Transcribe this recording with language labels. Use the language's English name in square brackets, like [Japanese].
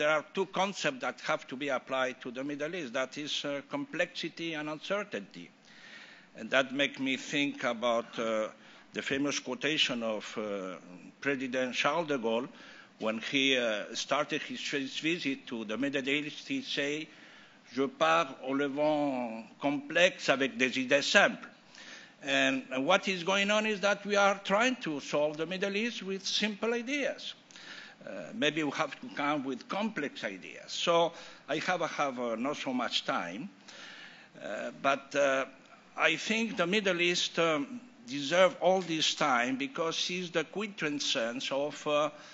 [English] There are two concepts that have to be applied to the Middle East, that is complexity and uncertainty. And that makes me think about the famous quotation of President Charles de Gaulle when he started his visit to the Middle East. He said, [French] "Je pars au levant complexe avec des idées simples." [English] And what is going on is that we are trying to solve the Middle East with simple ideas. Maybe we have to come with complex ideas. So I have not so much time, but... I think the Middle East deserves all this time because it's the quintessence of